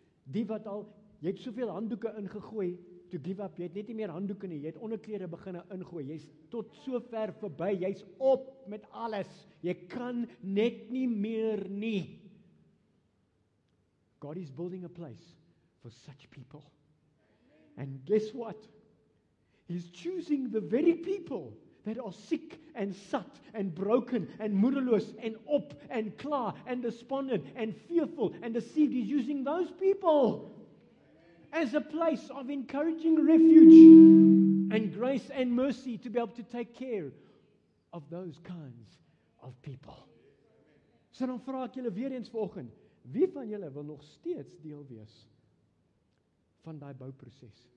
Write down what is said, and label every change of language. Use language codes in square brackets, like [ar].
[af] Die wat al, jy het soveel handdoeke ingegooi, [en] to give up, [af] jy het net nie meer handdoeke nie, jy het onderklere beginne ingooi, jy is tot so ver voorbij, jy is op met alles, jy kan net nie meer nie. [en] God is building a place for such people. And guess what? He's choosing the very people that are sick and sat and broken and [af] moedeloos and op and klaar [en] and despondent and fearful and deceived. He's using those people as a place of encouraging refuge and grace and mercy to be able to take care of those kinds of people. [af] So dan vraag ek julle weer eens vanoggend, wie van julle wil nog steeds deel wees van die bouproces?